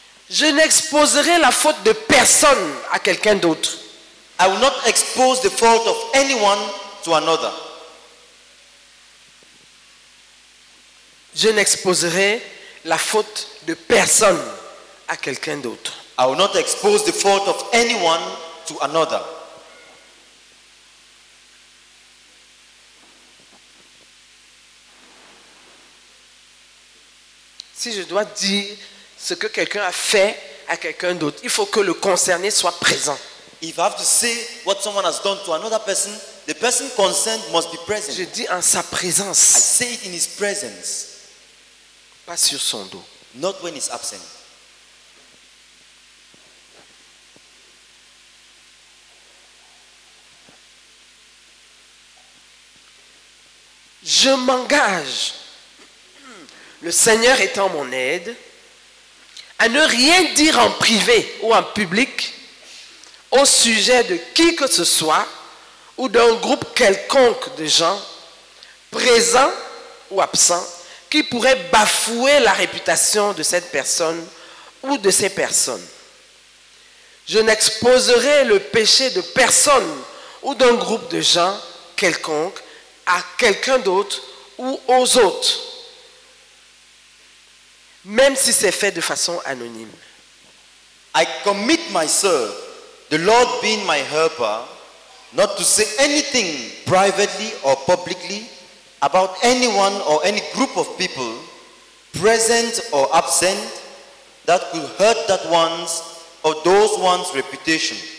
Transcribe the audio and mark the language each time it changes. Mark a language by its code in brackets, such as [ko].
[fr] Je n'exposerai la faute de personne à quelqu'un d'autre. [en] I will not expose the fault of anyone to another. [fr] Je n'exposerai la faute de personne à quelqu'un d'autre. [en] I will not expose the fault of anyone to another. [fr] Si je dois dire ce que quelqu'un a fait à quelqu'un d'autre, il faut que le concerné soit présent. [en] If I have to say what someone has done to another person, the person concerned must be present. [fr] Je dis en sa présence. [en] I say it in his presence. [fr] Pas sur son dos. [en] Not when he's absent. [fr] Je m'engage, le Seigneur étant mon aide, à ne rien dire en privé ou en public au sujet de qui que ce soit ou d'un groupe quelconque de gens, présents ou absents, qui pourrait bafouer la réputation de cette personne ou de ces personnes. Je n'exposerai le péché de personne ou d'un groupe de gens quelconque à quelqu'un d'autre ou aux autres, même si c'est fait de façon anonyme. [en] I commit myself, the Lord being my helper, not to say anything privately or publicly about anyone or any group of people, present or absent, that could hurt that one's or those one's reputation.